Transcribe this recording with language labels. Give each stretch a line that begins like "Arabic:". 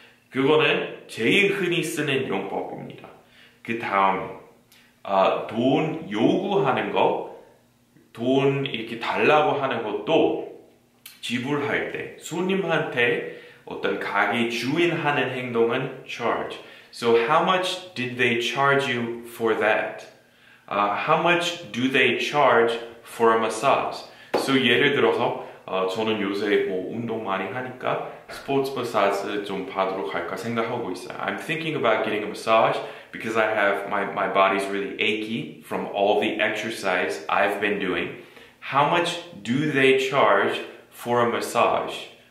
Korean: 그거는 제일 흔히 쓰는 용법입니다. 그 다음에 돈 요구하는 거, 돈 이렇게 달라고 하는 것도 지불할 때 손님한테 어떤 가게 주인 하는 행동은 charge.
English: So how much did they charge you for that? How much do they charge for a massage?
Korean: So 예를 들어서 저는 요새 뭐 운동 많이 하니까 스포츠 마사지 좀 받으러 갈까 생각하고 있어요.
English: I'm thinking about getting a massage because I have my body's really achy from all the exercise I've been doing. How much do they charge for a massage?